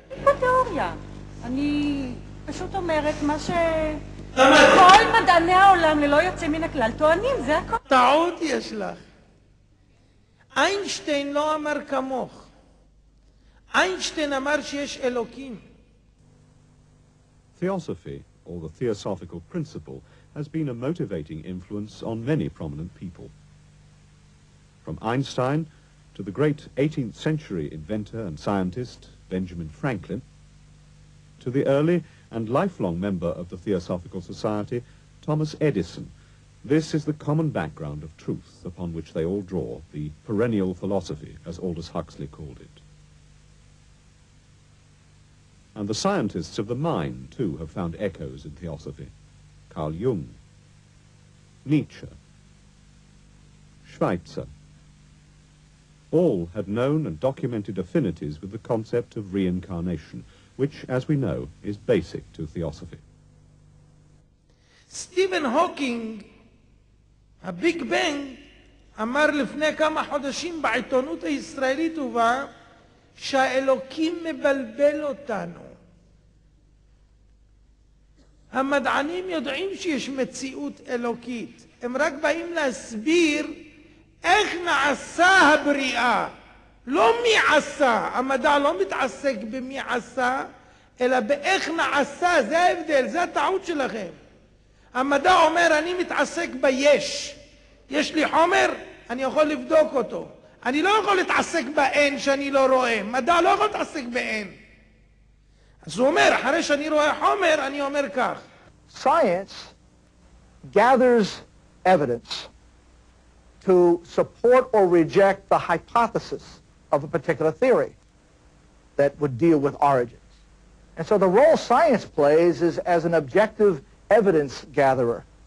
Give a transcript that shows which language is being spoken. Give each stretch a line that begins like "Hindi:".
Hebrew: איפה תיאוריה? אני פשוט אומרת מה ש... למה? כל מדעני העולם ללא יוצא מן הכלל טוענים, זה הכל. טעות יש לך. איינשטיין לא אמר כמוך. איינשטיין אמר שיש אלוקים.
English: Theosophy, or the theosophical principle, has been a motivating influence on many prominent people. From Einstein to the great 18th century inventor and scientist Benjamin Franklin, to the early and lifelong member of the Theosophical Society, Thomas Edison, this is the common background of truth upon which they all draw, the perennial philosophy, as Aldous Huxley called it. And the scientists of the mind, too, have found echoes in Theosophy. Carl Jung, Nietzsche, Schweitzer, all had known and documented affinities with the concept of reincarnation, which, as we know, is basic to Theosophy.
Hebrew: Stephen Hawking, a Big Bang, אמר לפני כמה חודשים בעיתונות הישראלית ובה שהאלוקים מבלבל אותנו. המדענים יודעים שיש מציאות אלוקית. הם רק באים להסביר איך נעשה הבריאה. לא מי עשה. המדע לא מתעסק במי עשה, אלא באיך נעשה. זה ההבדל, זה הטעות שלכם. המדע אומר, אני מתעסק ביש. יש לי חומר, אני יכול לבדוק אותו. אני לא יכול להתעסק באין שאני לא רואה. מדע לא יכול להתעסק באין. אז הוא אומר, אחרי שאני רואה חומר, אני אומר כך.
English: Science gathers evidence to support or reject the hypothesis of a particular theory that would deal with origins. And so the role science plays is as an objective evidence gatherer.